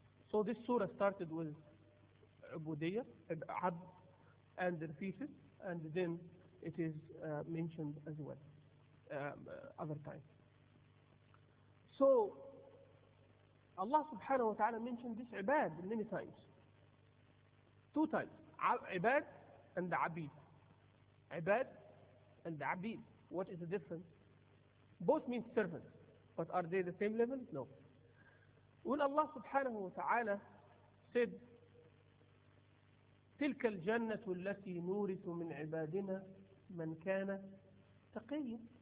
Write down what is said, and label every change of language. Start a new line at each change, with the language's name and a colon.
English: So this surah started with ubudiyyah, abd, and defeated, and then it is mentioned as well other times. So Allah subhanahu wa ta'ala mentioned this ibad many times. Two times, عباد and عبيد. عباد and عبيد. What is the difference? Both mean servants. But are they the same level? No. When Allah subhanahu wa ta'ala said,
Arabic: تلك الجنة التي نورث من عبادنا من كان تقيا.